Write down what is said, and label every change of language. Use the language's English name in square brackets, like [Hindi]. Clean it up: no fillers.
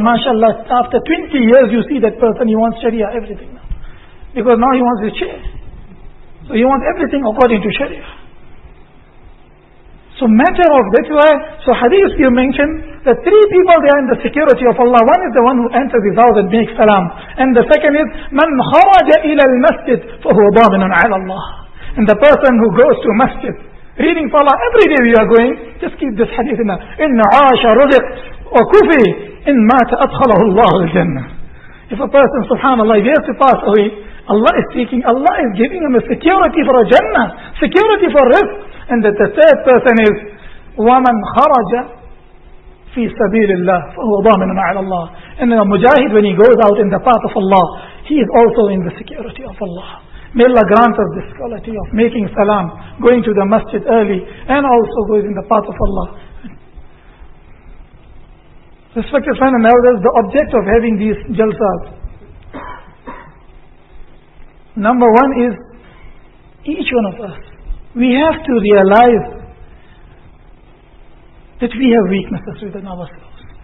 [English] MashaAllah, after 20 years you see that person, he wants Sharia, everything now. Because now he wants his chair. So he wants everything according to Sharia. So matter of, that's why, so hadith you mentioned, that three people they are in the security of Allah. One is the one who enters his house and makes salam. And the second is, [Arabic] مَنْ خَرَجَ إِلَى الْمَسْجِدِ فَهُوَ ضَامِنٌ عَلَى اللَّهِ. [English] And the person who goes to masjid, reading for Allah, every day we are going, just keep this hadith in there. [Arabic] إِنَّ عَاشَ رُزِقْ وَكُفِي إِنْ مَاتَ أَدْخَلَهُ اللَّهُ الْجَنَّةِ. [English] If a person, subhanAllah, he has to pass away, Allah is taking, Allah is giving him a security for a Jannah, security for rizq. And that the third person is, [Arabic] وَمَنْ خَرَجَ فِي سَبِيلِ اللَّهِ فَهُوَ ضَامِنٌ عَلَى اللَّهِ. [English] And then a mujahid, when he goes out in the path of Allah, he is also in the security of Allah. May Allah grant us this quality of making salam, going to the masjid early, and also going in the path of Allah. Respected friends and elders, the object of having these jalsas, number one is, each one of us, we have to realize that we have weaknesses within ourselves.